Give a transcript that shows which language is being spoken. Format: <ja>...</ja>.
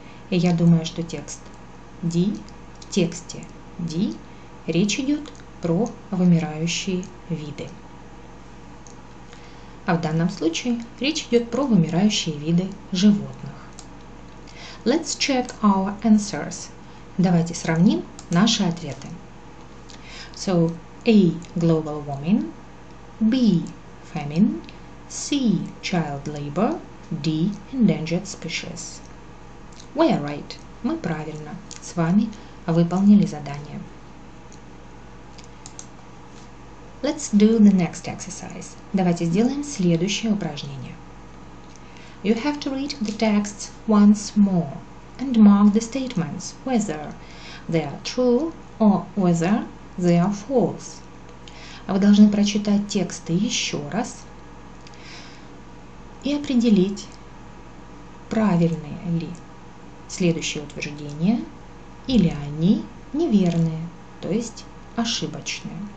<ru>И я думаю, что текст D, в тексте D, речь идет про вымирающие виды. А в данном случае речь идет про вымирающие виды животных.</ru> <en>Let's check our answers.</en> <ru>Давайте сравним наши ответы.</ru> <en>So, A. Global warming, B. Famine, C. Child labor, D. Endangered species. We are right.</en> <ru>Мы правильно с вами выполнили задание.</ru> <en>Let's do the next exercise.</en> <ru>Давайте сделаем следующее упражнение.</ru> <en>You have to read the texts once more and mark the statements whether they are true or whether They are false.</en> <ru>А вы должны прочитать тексты еще раз и определить, правильные ли следующие утверждения или они неверные, то есть ошибочные.</ru>